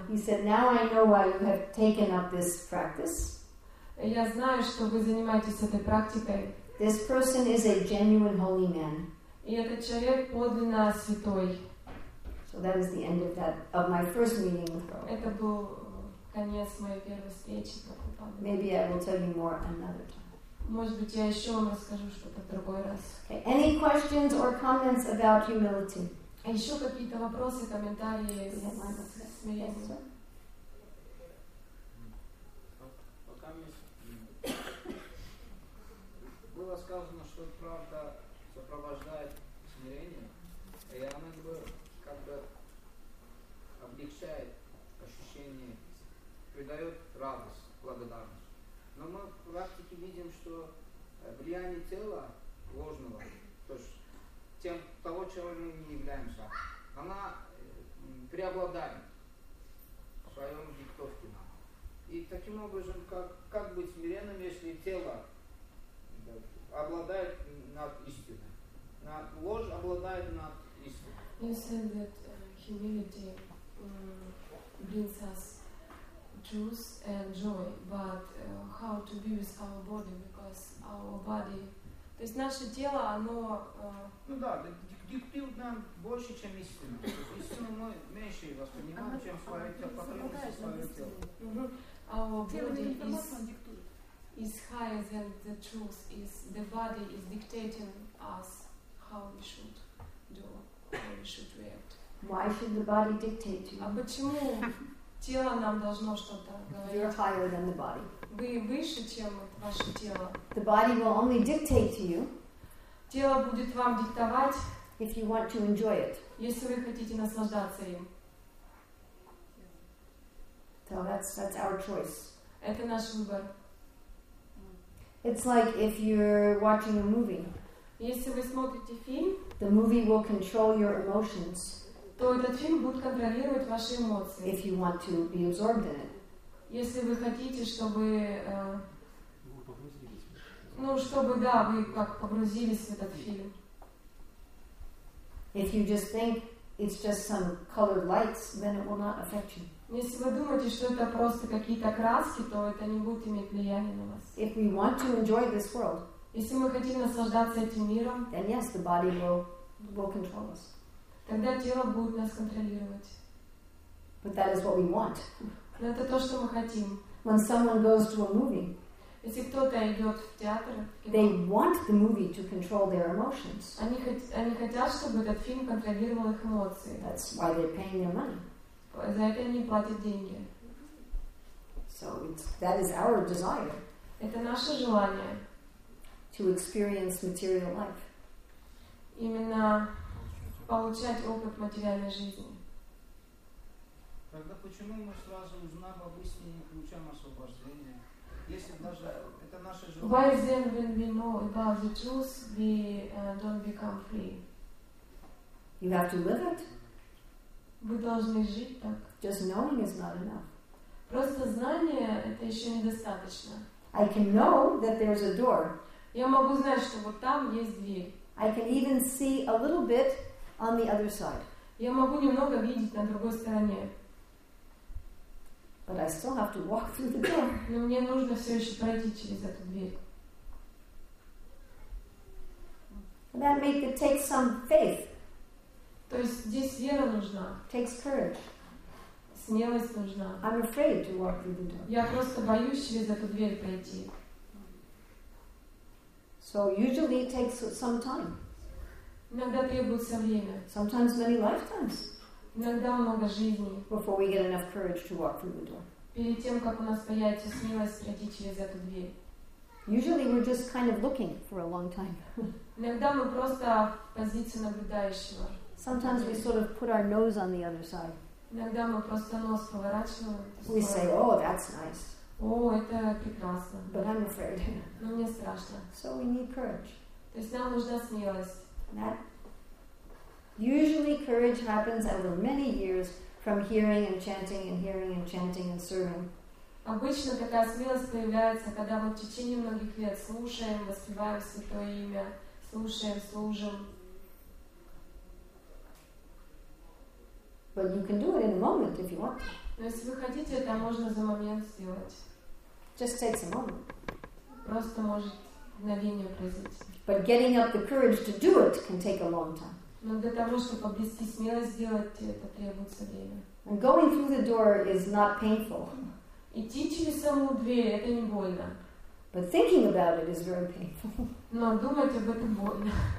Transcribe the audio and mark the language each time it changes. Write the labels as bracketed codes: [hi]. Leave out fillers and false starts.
[en] He said, "Now I know why you have taken up this practice." [ru] Я знаю, что вы занимаетесь этой практикой. [en] This person is a genuine holy man. [ru] И этот человек подлинно святой. [en] So that is the end of that of my first meeting with Prabhupada. [ru] Это был конец моей первой встречи с Прабхупадой. [en] Maybe I will tell you more another time. [ru] Может быть, я еще вам расскажу что-то в другой раз. [en] Okay. Any questions or comments about humility? [ru] А еще какие-то вопросы, комментарии с смирением? [en] Yes, sir. [ru] Пока мы еще не знаем, что было сказано, что правда сопровождает смирение, и она как бы облегчает ощущение, придает радость, благодарность. Но мы в практике видим, что влияние тела ложного, то есть тем того, чего мы не являемся, она преобладает в своем диктовке нам. И таким образом, как быть смиренным, если тело обладает над истиной? Ложь обладает над истиной. [en] You said that humility brings us truth and joy, but how to be with our body, because our body... [ru] То есть наше тело, оно... Ну да, диктует нам больше, чем истину. Истину мы меньше воспринимаем, чем свое тело, потребность своего тела. [en] Our body is higher than the truth. Is the body is dictating us how we should do, how we should react. Why should the body dictate you? [ru] А почему тело нам должно что-то говорить? [en] You're higher than the body. [ru] Вы выше, чем ваше тело. [en] The body will only dictate to you. [ru] Тело будет вам диктовать. [en] If you want to enjoy it. [ru] Если вы хотите наслаждаться им. [en] So that's our choice. [ru] Это наш выбор. [en] It's like if you're watching a movie. [ru] Если вы смотрите фильм, [en] the movie will control your emotions. [ru] То этот фильм будет контролировать ваши эмоции. [en] If you want to be absorbed in it. [ru] Если вы хотите, чтобы ну, чтобы да, вы как погрузились в этот фильм. [en] If you just think it's just some colored lights, then it will not affect you. [ru] Если вы думаете, что это просто какие-то краски, то это не будет иметь влияния на вас. [en] If we want to enjoy this world, [ru] если мы хотим наслаждаться этим миром, [en] then yes, the body will control us. [ru] Тогда тело будет нас контролировать. [en] But that is what we want. [ru] Но это то, что мы хотим. [en] When someone goes to a movie, [ru] если кто-то идет в театр, [en] they want the movie to control their emotions. [ru] Они хотят, чтобы этот фильм контролировал их эмоции. [en] That's why they're paying their money. [ru] За это они платят деньги. [en] So that is our desire. [ru] Это наше желание. [en] To experience material life. [ru] Именно получать опыт материальной жизни. Тогда почему мы сразу, узнав об истине, получаем освобождение? Если даже это наше желание. [en] Why then, when we know about the truth, we don't become free? You have to live it. [ru] Вы должны жить так. [en] Just knowing is not enough. [ru] Просто знание это еще недостаточно. [en] I can know that there's a door. [ru] Я могу знать, что вот там есть дверь. [en] I can even see a little bit on the other side. [ru] Я могу немного видеть на другой стороне. [en] But I still have to walk through the door. [ru] Но мне нужно все еще пройти через эту дверь. [en] That may take some faith. [ru] То есть здесь вера нужна. [en] Takes courage. [ru] Смелость нужна. [en] I'm afraid to walk through the door. [ru] Я просто боюсь через эту дверь пройти. [en] So usually it takes some time. [ru] Иногда требуется время. [en] Sometimes many lifetimes. [ru] Иногда много жизней. [en] Before we get enough courage to walk through the door. [ru] Перед тем, как у нас появится смелость пройти через эту дверь. [en] Usually we're just kind of looking for a long time. [ru] Иногда мы просто в позиции наблюдающего. [en] Sometimes we sort of put our nose on the other side. [ru] Иногда мы просто нос поворачиваем. [en] We say, "Oh, that's nice." [ru] О, это прекрасно. [en] But I'm afraid. [ru] Но мне страшно. [en] So we need courage. [ru] То есть нам нужна смелость. [en] That usually courage happens over many years from hearing and chanting and hearing and chanting and serving. [ru] Обычно такая смелость появляется, когда мы в течение многих лет слушаем, воспеваем Святое Имя, слушаем, служим. [en] But you can do it in a moment if you want. [ru] Но если вы хотите, это можно за момент сделать. [en] Just takes a moment. [ru] Просто может мгновение произойти. [en] But getting up the courage to do it can take a long time. [ru] Но для того, чтобы обрести смелость сделать это, требуется время. [en] And going through the door is not painful. [ru] Идти через саму дверь это не больно. [en] But thinking about it is very painful. [ru] Но думать об этом больно.